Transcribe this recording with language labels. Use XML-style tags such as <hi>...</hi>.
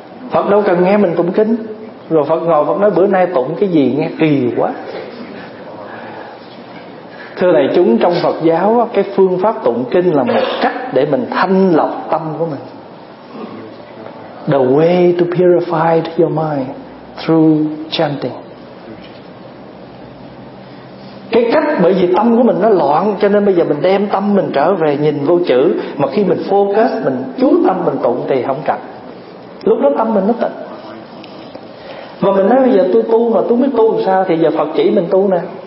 <vi>Phật đâu cần nghe mình tụng kinh. Rồi Phật ngồi Phật nói bữa nay tụng cái gì nghe kỳ quá. Thưa đại chúng, trong Phật giáo cái phương pháp tụng kinh là một cách để mình thanh lọc tâm của mình.</vi> <en>The way to purify your mind through chanting.</en> <vi>Cái cách, bởi vì tâm của mình nó loạn, cho nên bây giờ mình đem tâm mình trở về nhìn vô chữ, mà khi mình focus, mình chú tâm mình tụng thì không cần. Lúc đó tâm mình nó tịnh. Mà mình nói bây giờ tôi tu mà tôi biết tu làm sao, thì giờ Phật chỉ mình tu nè.</vi>